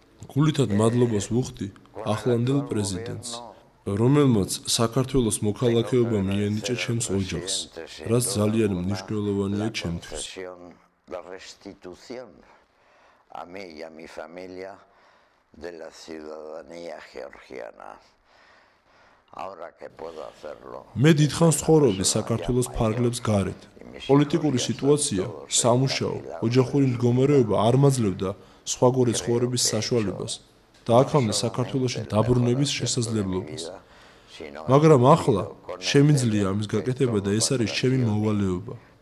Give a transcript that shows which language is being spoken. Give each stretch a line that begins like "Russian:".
Georgian: გულითად მადლობას ვუხდი ახლანდელ პრეზიდენტს. Რომელმაც საქართველოს მოქალაქეობა მიენიჭა ჩემს ოჯახს, რაც ძალიან მნიშვნელოვანია ჩემთვის.
Spanish: La restitución a mí y a mi familia de la ciudadanía georgiana. Ahora que puedo hacerlo.
Georgian: Მე დიდხანს ცხოვრობდი საქართველოს ფარგლებს გარეთ. პოლიტიკური სიტუაცია, სამუშაო, ოჯახური მდგომარეობა არ მაძლევდა სხვაგვარი ცხოვრების საშუალებას. Და აქამდე საქართველოში დაბრუნების შესაძლებლობას. Მაგრამ ახლა შემიძლია ამის გაკეთება და ეს არის ჩემი მოვალეობა.